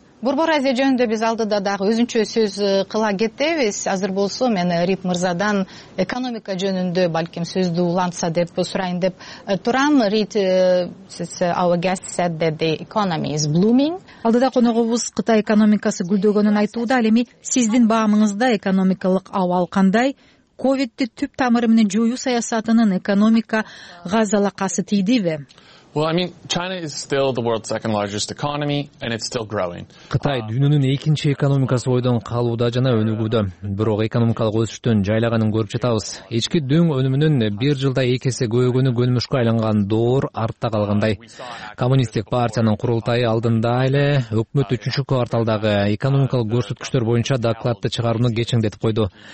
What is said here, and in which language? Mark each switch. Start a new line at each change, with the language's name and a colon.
Kyrgyz: Борбор Азия жөнүндө биз алдыда дагы өзүнчө сөз кыла кетебиз. Азыр болсо мен Рип мырзадан экономика жөнүндө балким сөздү улантса деп сурайын деп турам.
English: Рит,
Kyrgyz: сиз
English: our guest said that the economy is blooming.
Kyrgyz: Алдыда коногубуз Кытай экономикасы гүлдөгөнүн айтууда, ал эми сиздин баамыңызда экономикалык абал кандай? Ковидти түп тамыры менен жоюу саясатынын экономикага залакасы тийдиби?
English: Well, I mean, China is still the world's second largest economy and it's still growing.
Kyrgyz: Кытай дүйнөнүн экинчи экономикасы ойдон калууда жана өнүгүүдө. Бирок экономикалык өсүштөн жайлаганын көрүп жатабыз. Ички дүң өнүмүнүн бир жылда эки эсе көбөйгөнү көнүмүшкө айланган доор артта калгандай. Коммунисттик партиянын курултайы алдында эле өкмөт 3-чү кварталдагы экономикалык көрсөткүчтөр боюнча докладты чыгарууну кечиңдетип койду.